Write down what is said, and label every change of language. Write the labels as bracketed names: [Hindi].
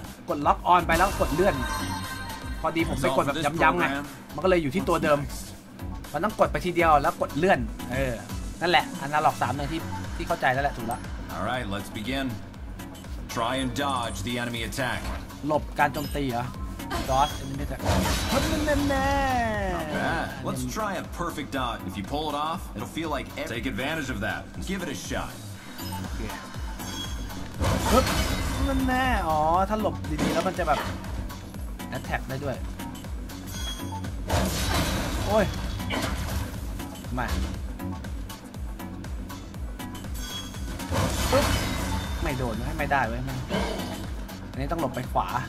[Thai] กดล็อกออนไปแล้วกดเลื่อนพอดีผมไปกดแบบย้ำๆไงมันก็เลยอยู่ที่ตัวเดิมมันต้องกดไปทีเดียวแล้วกดเลื่อนนั่นแหละอนาล็อก3ที่เข้าใจแล้วแหละถูกแล้ว [English] All right, let's begin. Try and dodge the enemy attack. [Thai] หลบการโจมตีเหรอ [English] Dodge enemy attack. Not bad. Let's try a perfect dodge. If you pull it off, it'll feel like take advantage of that. Give it a shot. Okay. Not bad. [Thai] อ๋อถ้าหลบดีๆแล้วมันจะแบบ attack ได้ด้วยโอ้ยมาไม่โดนไม่ได้เว้ยมันอันนี้ต้องหลบไปขวา